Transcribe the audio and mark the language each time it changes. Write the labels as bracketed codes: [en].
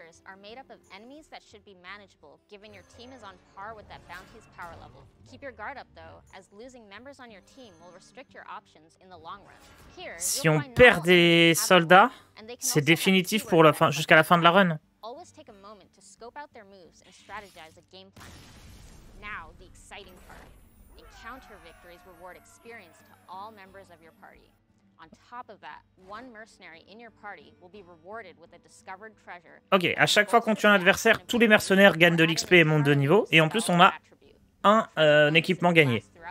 [en] Are made up of enemies that should be manageable, given your team is on par with that bounty's power level. Keep your guard up, though, as losing members on your team will restrict your options in the long run. Here, [fr] si on perd des soldats, c'est définitif pour la fin, jusqu'à la fin de la run. [en] Always take a moment to scope out their moves and strategize a game plan. Now, the exciting part. Encounter victories reward experience to all members of your party. On top of that, one mercenary in your party will be rewarded with a discovered treasure. [fr] OK, à chaque fois qu'on tue un adversaire, tous les mercenaires gagnent de l'XP et montent de niveau et en plus on a un équipement gagné.